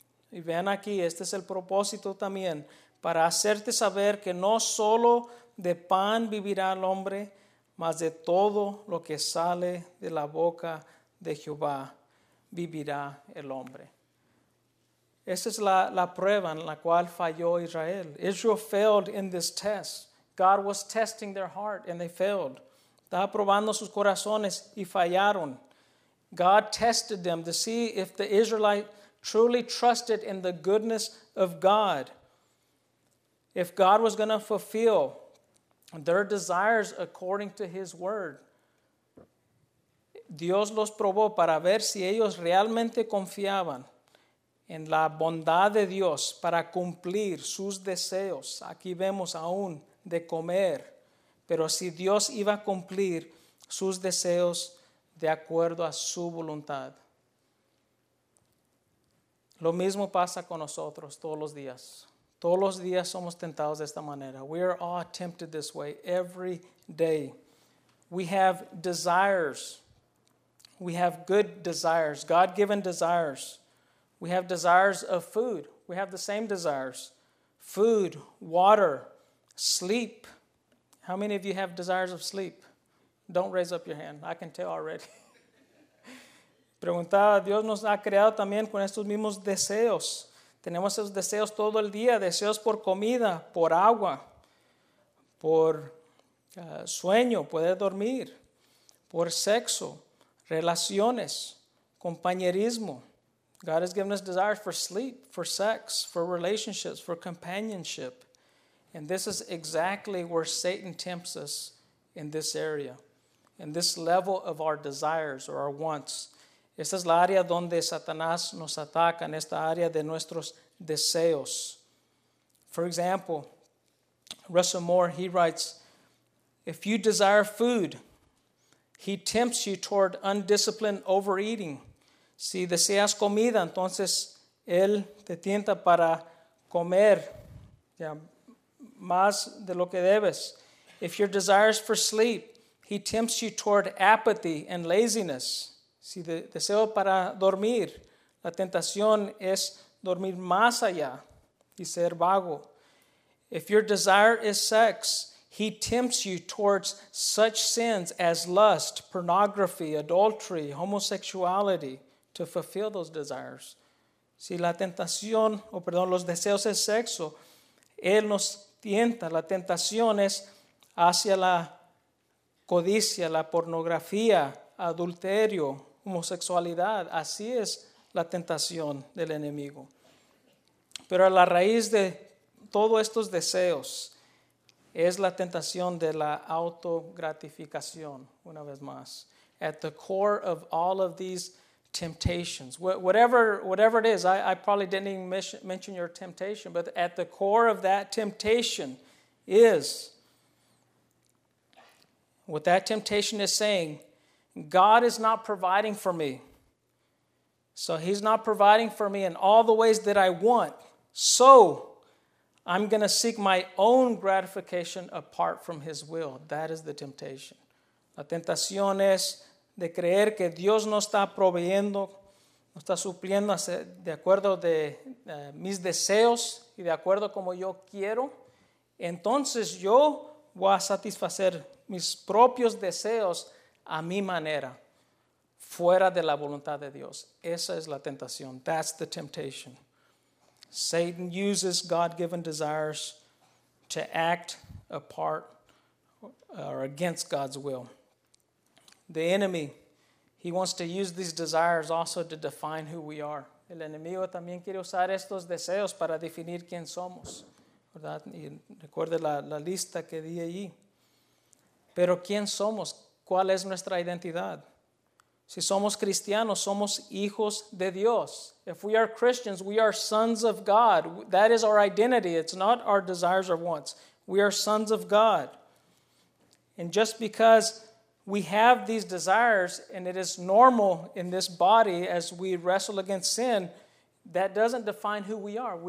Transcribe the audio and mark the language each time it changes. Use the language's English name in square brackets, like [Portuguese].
[Spanish] Y vean aquí, este es el propósito también, para hacerte saber que no solo de pan vivirá el hombre, mas de todo lo que sale de la boca de Jehová vivirá el hombre. Esa es la prueba en la cual falló Israel. [English] Israel failed in this test. God was testing their heart and they failed. [Spanish] Estaba probando sus corazones y fallaron. [English] God tested them to see if the Israelite truly trusted in the goodness of God. If God was going to fulfill their desires according to His word, [Spanish] Dios los probó para ver si ellos realmente confiaban en la bondad de Dios para cumplir sus deseos. Aquí vemos aún de comer, pero si Dios iba a cumplir sus deseos de acuerdo a su voluntad. Lo mismo pasa con nosotros todos los días. Todos los días somos tentados de esta manera. [English] We are all tempted this way every day. We have desires. We have good desires, God-given desires. We have desires of food. We have the same desires. Food, water, sleep. How many of you have desires of sleep? Don't raise up your hand. I can tell already. [Spanish] Preguntaba, Dios nos ha creado también con estos mismos deseos. Tenemos esos deseos todo el día. Deseos por comida, por agua, por sueño, poder dormir, por sexo, relaciones, compañerismo. [English] God has given us desires for sleep, for sex, for relationships, for companionship. And this is exactly where Satan tempts us in this area, in this level of our desires or our wants. [Spanish] Esta es la área donde Satanás nos ataca, en esta área de nuestros deseos. [English] For example, Russell Moore, he writes, if you desire food, he tempts you toward undisciplined overeating. [Spanish] Si deseas comida, entonces él te tienta para comer ya más de lo que debes. [English] If your desire is for sleep, he tempts you toward apathy and laziness. [Spanish] Si deseo para dormir, la tentación es dormir más allá y ser vago. [English] If your desire is sex, he tempts you towards such sins as lust, pornography, adultery, homosexuality to fulfill those desires. [Spanish] Si la tentación, los deseos es sexo, él nos tienta, la tentación es hacia la codicia, la pornografía, adulterio, homosexualidad. Así es la tentación del enemigo. Pero a la raíz de todos estos deseos es la tentación de la autogratificación, una vez más. [English] At the core of all of these temptations, whatever it is, I probably didn't even mention your temptation, but at the core of that temptation is, what that temptation is saying, God is not providing for me. So he's not providing for me in all the ways that I want. So I'm going to seek my own gratification apart from his will. That is the temptation. [Spanish] La tentación es de creer que Dios no está proveyendo, no está supliendo de acuerdo de mis deseos y de acuerdo como yo quiero. Entonces yo voy a satisfacer mis propios deseos a mi manera, fuera de la voluntad de Dios. Esa es la tentación. [English] That's the temptation. Satan uses God-given desires to act apart or against God's will. The enemy, he wants to use these desires also to define who we are. [Spanish] El enemigo también quiere usar estos deseos para definir quién somos, ¿verdad? Y recuerde la lista que di allí. Pero ¿quién somos? ¿Cuál es nuestra identidad? Si somos cristianos, somos hijos de Dios. [English] If we are Christians, we are sons of God. That is our identity. It's not our desires or wants. We are sons of God. And just because we have these desires, and it is normal in this body as we wrestle against sin, that doesn't define who we are.